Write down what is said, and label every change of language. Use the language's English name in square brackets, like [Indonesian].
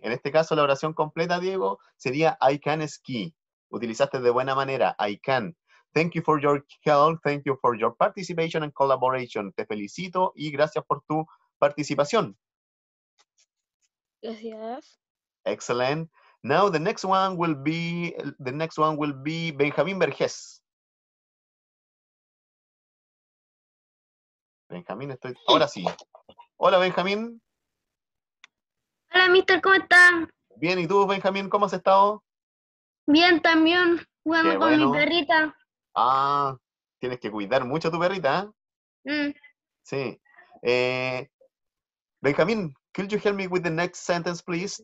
[Spanish] En este caso, la oración completa, Diego, sería [English] I can ski. [Spanish] Utilizaste de buena manera, I can. [English] Thank you for your help, thank you for your participation and collaboration. [Spanish] Te felicito y gracias por tu participación. Gracias. [English] Excellent. Now the next one will be, Benjamín Vergés. [Spanish] Benjamín, ahora sí. Hola, Benjamín. Hola, mister, ¿cómo estás? Bien, ¿y tú, Benjamín, cómo has estado? Bien, también, jugando con mi perrita. Ah, tienes que cuidar mucho a tu perrita, ¿eh? Sí. [English] Benjamín, could you help me with the next sentence, please?